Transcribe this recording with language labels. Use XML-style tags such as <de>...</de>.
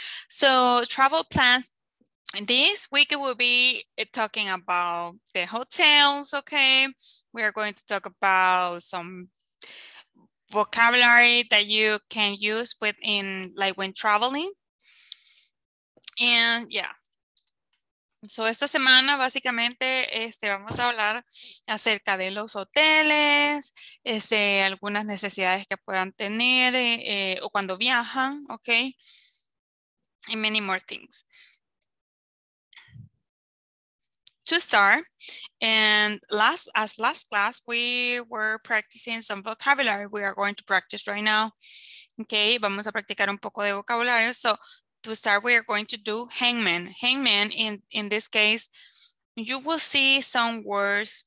<en>So travel plans, this week it will be talking about the hotels, okay? We are going to talk about some vocabulary that you can use within, like, when traveling. And yeah.</en> <es>So esta semana básicamente vamos a hablar acerca de los hoteles, algunas necesidades que puedan tener o cuando viajan, okay?</es> <en>And many more things. To start, and last class we were practicing some vocabulary. We are going to practice right now. Okay,</en> <es>vamos a practicar un poco de vocabulario.</es> <en>So to start, we are going to do hangman. Hangman, in this case, you will see some words.</en>